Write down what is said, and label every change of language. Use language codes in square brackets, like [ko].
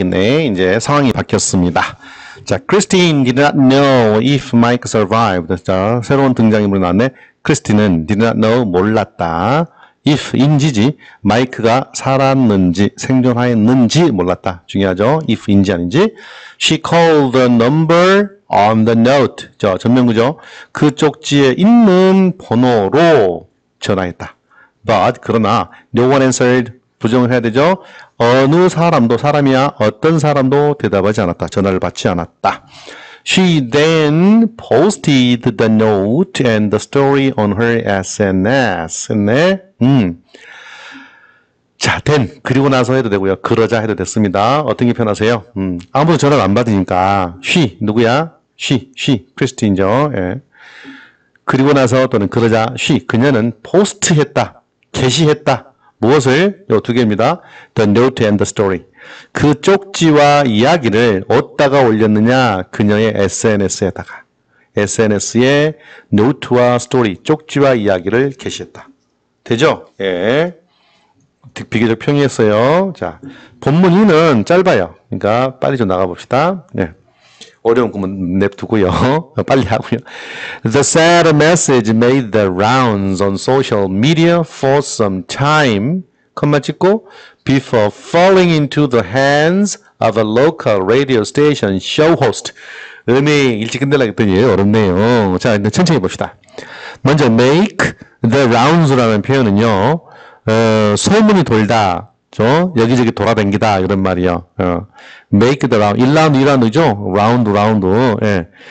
[ko] 네, 이제 상황이 바뀌었습니다. [en] 자, Christine did not know if Mike survived. [ko] 자, 새로운 등장인물이 나왔네. Christine은 [en] did not know, [ko] 몰랐다. If, 인지지. 마이크가 살았는지, 생존하였는지 몰랐다. 중요하죠. [en] If, [ko] 인지 아닌지. [en] She called the number on the note. 자, 전면구죠. [ko] 그 쪽지에 있는 번호로 전화했다. But, 그러나, [en] no one answered, [ko] 부정을 해야 되죠? 어느 사람도, 사람이야, 어떤 사람도 대답하지 않았다. 전화를 받지 않았다. [en] She then posted the note and the story on her SNS. [ko] 했네? 자, 된. 그리고 나서 해도 되고요. 그러자 해도 됐습니다. 어떤 게 편하세요? 아무도 전화를 안 받으니까. She, 누구야? She, Christine죠. 예. 그리고 나서 또는 그러자. She, 그녀는 post 했다. 게시했다. 무엇을? 요두 개입니다. [en] The note and the story. [ko] 그 쪽지와 이야기를 어디다가 올렸느냐? 그녀의 SNS에다가. SNS에 note와 story, 쪽지와 이야기를 게시했다. 되죠? 예. 비교적 평이했어요. 자, 본문 2는 짧아요. 그러니까 빨리 좀 나가봅시다. 예. 어려운 구문 냅두고요. 빨리 하고요. [en] The sad message made the rounds on social media for some time, [ko] 콤마 찍고, [en] before falling into the hands of a local radio station show host. [ko] 음이 일찍 끝내려고 했더니 어렵네요. 자, 이제 천천히 봅시다. 먼저 make the rounds라는 표현은요, 소문이 돌다. 저 여기저기 돌아댕기다 이런 말이요. [en] Make the round, [ko] 1라운드, 2라운드죠? Round, round. 예.